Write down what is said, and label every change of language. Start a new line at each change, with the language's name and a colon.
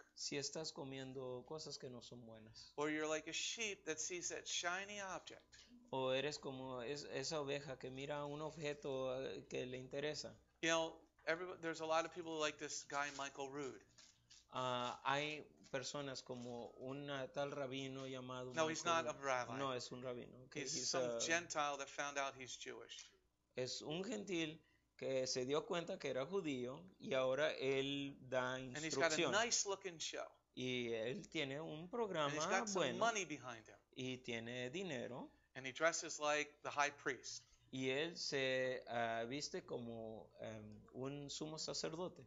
Spanish: Si estás comiendo cosas que no son buenas.
English: Or you're like a sheep that sees that shiny object.
Spanish: O eres como esa oveja que mira un objeto que le interesa.
English: You know, there's a lot of people like this guy Michael Rood.
Spanish: Hay personas como un tal rabino llamado.
English: No, he's not a rabbi.
Spanish: No, es un rabino.
English: Okay, he's some Gentile that found out he's Jewish.
Spanish: Es un gentil que se dio cuenta que era judío y ahora él da instrucción.
English: And he's got a nice looking show.
Spanish: Y él tiene un programa bueno.
English: And he's got
Spanish: bueno,
English: some money behind him.
Spanish: Y tiene dinero.
English: And he dresses like the high priest.
Spanish: Y él se viste como un sumo sacerdote.